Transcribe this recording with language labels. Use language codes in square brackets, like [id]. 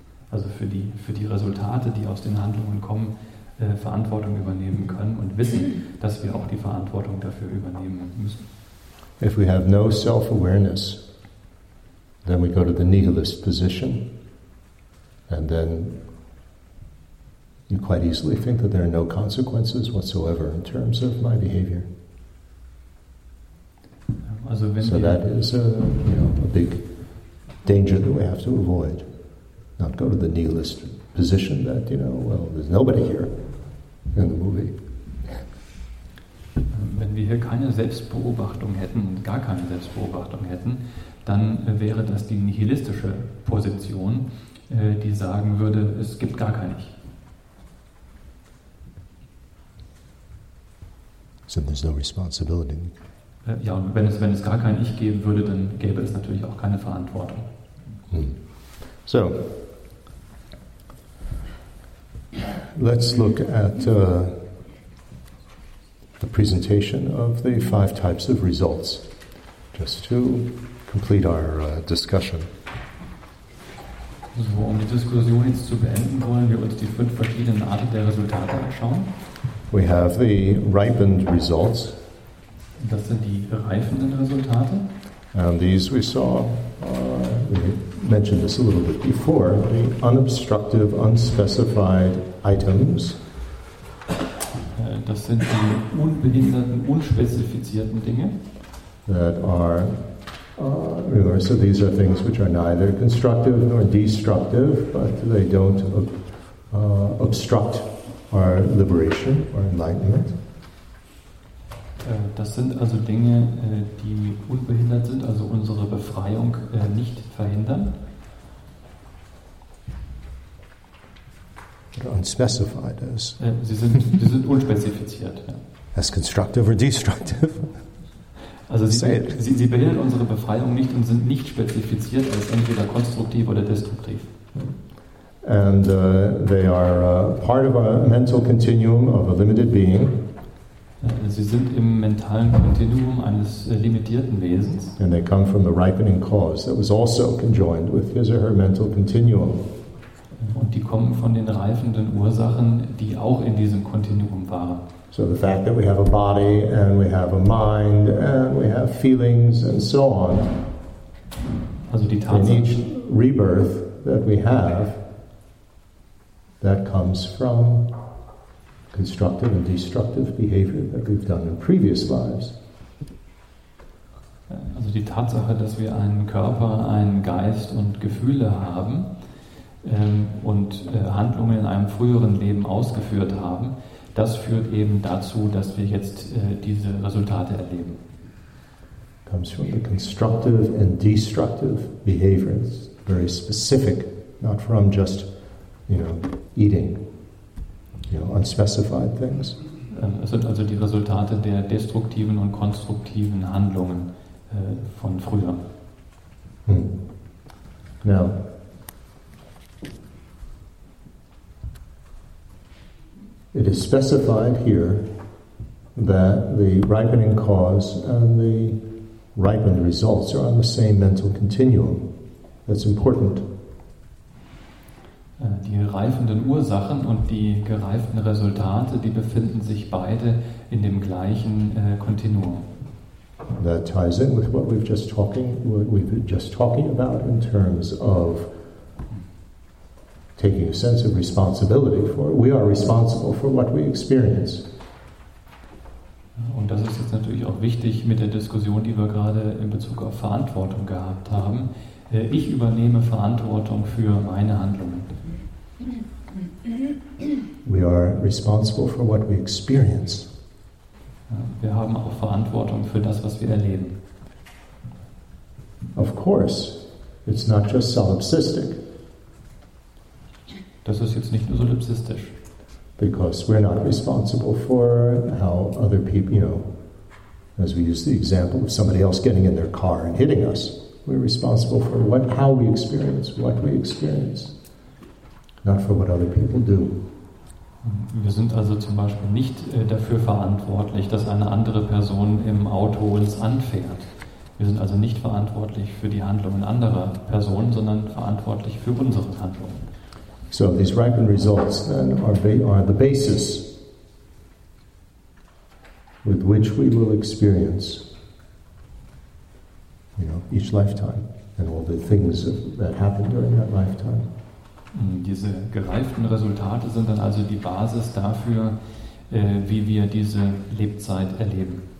[de] Also für die Resultate, die aus den Handlungen kommen, Verantwortung übernehmen können und wissen, dass wir auch die Verantwortung dafür übernehmen müssen. [en] If we have no self-awareness, then we go to the nihilist position and then you quite easily think that there are no consequences whatsoever in terms of my behavior. [de] Also wenn so wir [en] that is a, you know, a big danger that we have to avoid. Not go to the nihilist position that, you know, well, there's nobody here in the movie. [de] Wenn wir hier keine Selbstbeobachtung hätten, gar keine Selbstbeobachtung hätten, dann wäre das die nihilistische Position, die sagen würde, es gibt gar kein Ich. [en] So there's no responsibility. [de] Ja, und wenn es gar kein Ich geben würde, dann gäbe es natürlich auch keine Verantwortung. [en] So, let's look at the presentation of the five types of results, just to complete our discussion. [de] So, um die Diskussion jetzt zu beenden, wollen wir uns die fünf verschiedenen Arten der Resultate anschauen. [en] We have the ripened results. [de] Das sind die reifenden Resultate. [en] And these we saw, we mentioned this a little bit before, the unobstructive, unspecified items. [de] Das sind die unbehinderten, unspezifizierten Dinge. [en] That are, remember, so these are things which are neither constructive nor destructive, but they don't obstruct our liberation or enlightenment. [de] Das sind also Dinge, die unbehindert sind, also unsere Befreiung nicht verhindern. [en] Unspecified is. [de] Sie sind unspezifiziert. [en] Ja. As constructive or destructive? [de] Also sie behindern unsere Befreiung nicht und sind nicht spezifiziert als entweder konstruktiv oder destruktiv. [en] And they are part of a mental continuum of a limited being. [de] Sie sind im mentalen Kontinuum eines limitierten Wesens. [en] And they come from the ripening cause that was also conjoined with his or her mental continuum. [de] Und die kommen von den reifenden Ursachen, die auch in diesem Kontinuum waren. [en] So the fact that we have a body and we have a mind and we have feelings and so on. [de] Also die Tatsache. [en] In each rebirth that we have, that comes from constructive and destructive behavior that we've done in previous lives. [de] Also die Tatsache, dass wir einen Körper, einen Geist und Gefühle haben und Handlungen in einem früheren Leben ausgeführt haben, das führt eben dazu, dass wir jetzt diese Resultate erleben. [en] Comes from the constructive and destructive behaviors, very specific, not from just, you know, eating. You know, unspecified things. [de] Es sind also die Resultate der destruktiven und konstruktiven Handlungen von früher. [en] Now, it is specified here that the ripening cause and the ripened results are on the same mental continuum. That's important. [de] Die reifenden Ursachen und die gereiften Resultate, die befinden sich beide in dem gleichen Kontinuum. [en] That ties in with what we've been just talking about in terms of taking a sense of responsibility for. We are responsible for what we experience. [de] Und das ist jetzt natürlich auch wichtig mit der Diskussion, die wir gerade in Bezug auf Verantwortung gehabt haben. Ich übernehme Verantwortung für meine Handlungen. [en] We are responsible for what we experience. [de] Wir haben auch Verantwortung für das, was wir erleben. [en] Of course, it's not just solipsistic. [de] Das ist jetzt nicht nur solipsistisch. [en] Because we're not responsible for how other people, you know, as we use the example of somebody else getting in their car and hitting us, we're responsible for what we experience. Not for what other people do. [de] Wir sind also zum Beispiel nicht dafür verantwortlich, dass eine andere Person im Auto uns anfährt. Wir sind also nicht verantwortlich für die Handlungen anderer Personen, sondern verantwortlich für unsere Handlungen. [en] So these ripened results then are the basis with which we will experience, you know, each lifetime and all the things that happen during that lifetime. [de] Diese gereiften Resultate sind dann also die Basis dafür, wie wir diese Lebzeit erleben.